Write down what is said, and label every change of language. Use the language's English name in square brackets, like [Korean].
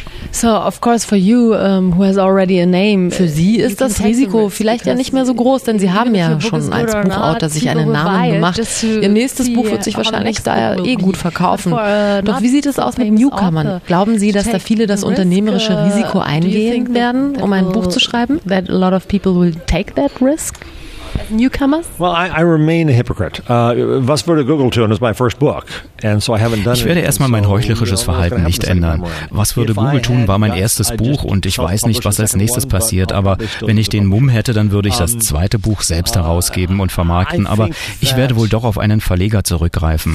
[English] So, of course, for you, who has already a name, [German] für Sie ist das Risiko vielleicht ja nicht mehr so groß, denn Sie haben ja schon als Buchautor sich einen Namen gemacht. Ihr nächstes Buch wird sich wahrscheinlich da eh gut verkaufen. Doch wie sieht es aus mit Newcomern? Glauben Sie, dass da viele das unternehmerische Risiko eingehen werden, um ein Buch zu schreiben? [English] That a lot of people will take that risk? Newcomers? Well, I remain a hypocrite. [German] Was würde Google tun? Das ist mein erstes Buch. Ich werde erstmal mein heuchlerisches Verhalten nicht ändern. Was würde Google tun, war mein erstes Buch und ich weiß nicht, was als nächstes passiert. Aber wenn ich den Mumm hätte, dann würde ich das zweite Buch selbst herausgeben und vermarkten. Aber ich werde wohl doch auf einen Verleger zurückgreifen.